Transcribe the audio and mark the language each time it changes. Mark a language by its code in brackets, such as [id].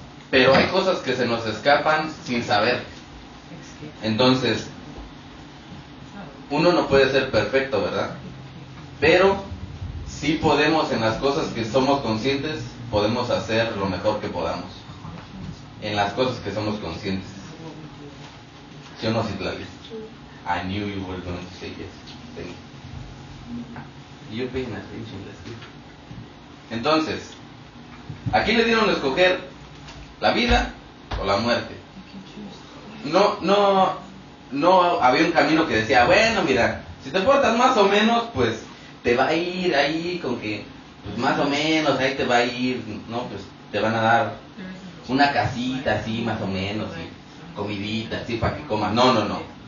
[es] Pero hay cosas que se nos escapan sin saber. Entonces, uno no puede ser perfecto, ¿verdad? Pero sí podemos, en las cosas que somos conscientes, podemos hacer lo mejor que podamos. En las cosas que somos conscientes. ¿Sí o no, Citlali? [en] I knew you were going to say yes. Thank you. You're paying attention, let's go. [es] Entonces, aquí le dieron a escoger la vida o la muerte. No había un camino que decía, bueno, mira, si te portas más o menos, pues te va a ir ahí con que, pues más o menos, ahí te va a ir, no, pues te van a dar una casita así, más o menos, y comidita así para que comas. No.